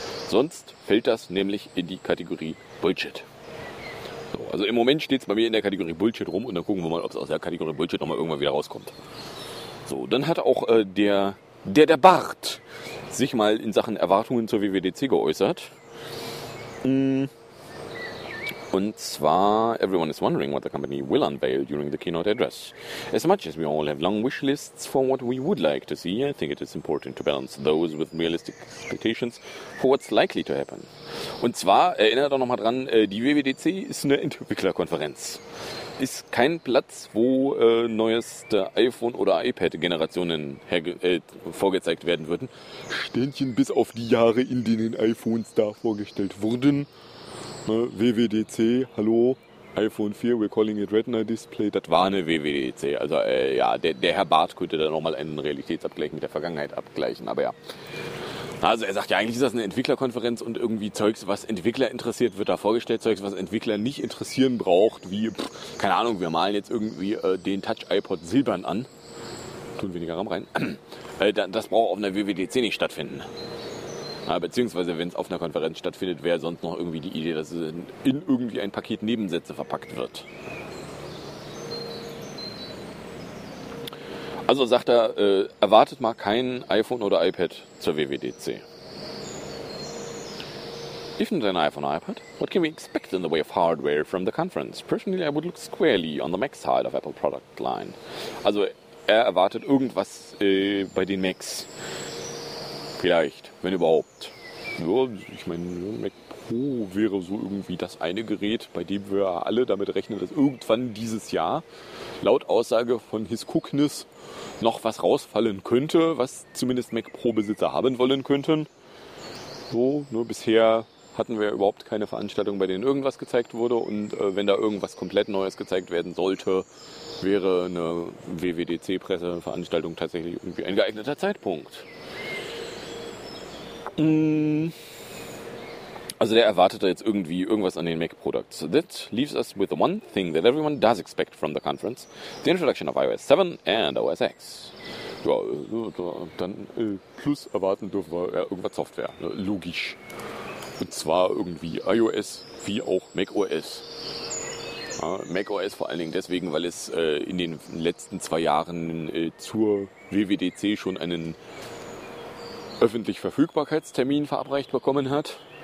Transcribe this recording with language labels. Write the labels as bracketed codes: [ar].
[de] Sonst fällt das nämlich in die Kategorie Bullshit. So, also im Moment steht es bei mir in der Kategorie Bullshit rum und dann gucken wir mal, ob es aus der Kategorie Bullshit nochmal irgendwann wieder rauskommt. So, dann hat auch der Bart sich mal in Sachen Erwartungen zur WWDC geäußert. Und zwar, [en] everyone is wondering what the company will unveil during the keynote address. As much as we all have long wish lists for what we would like to see, I think it is important to balance those with realistic expectations for what's likely to happen. [de] Und zwar, erinnert auch nochmal dran, die WWDC ist eine Entwicklerkonferenz. Ist kein Platz, wo neueste iPhone- oder iPad-Generationen vorgezeigt werden würden. Ständchen bis auf die Jahre, in denen iPhones da vorgestellt wurden. Ne, [en] WWDC, [de] hallo, [en] iPhone 4, we're calling it Retina Display. [de] Das war eine WWDC. Also ja, der Herr Barth könnte da nochmal einen Realitätsabgleich mit der Vergangenheit abgleichen. Aber ja. Also er sagt ja, eigentlich ist das eine Entwicklerkonferenz und irgendwie Zeugs, was Entwickler interessiert, wird da vorgestellt. Zeugs, was Entwickler nicht interessieren braucht, wie, keine Ahnung, wir malen jetzt irgendwie den Touch-iPod silbern an. Tun weniger RAM rein. Das braucht auf einer WWDC nicht stattfinden. Ja, beziehungsweise, wenn es auf einer Konferenz stattfindet, wäre sonst noch irgendwie die Idee, dass es in irgendwie ein Paket Nebensätze verpackt wird. Also sagt er, erwartet mal kein iPhone oder iPad zur WWDC. [en] If not an iPhone or iPad, what can we expect in the way of hardware from the conference? Personally, I would look squarely on the Mac side of Apple product line. [de] Also er erwartet irgendwas bei den Macs. Vielleicht, wenn überhaupt. Ja, ich meine, Mac Pro wäre so irgendwie das eine Gerät, bei dem wir alle damit rechnen, dass irgendwann dieses Jahr, laut Aussage von His Cookness, noch was rausfallen könnte, was zumindest Mac Pro-Besitzer haben wollen könnten. So, nur bisher hatten wir überhaupt keine Veranstaltung, bei denen irgendwas gezeigt wurde. Und wenn da irgendwas komplett Neues gezeigt werden sollte, wäre eine WWDC-Presseveranstaltung tatsächlich irgendwie ein geeigneter Zeitpunkt. Also der erwartet da jetzt irgendwie irgendwas an den Mac Products. [en] That leaves us with the one thing that everyone does expect from the conference. The introduction of iOS 7 and OS X. [de] Ja, dann plus erwarten dürfen wir ja, irgendwas Software. Logisch. Und zwar irgendwie iOS wie auch macOS. Ja, macOS vor allen Dingen deswegen, weil es in den letzten zwei Jahren zur WWDC schon einen öffentlich Verfügbarkeitstermin verabreicht bekommen hat.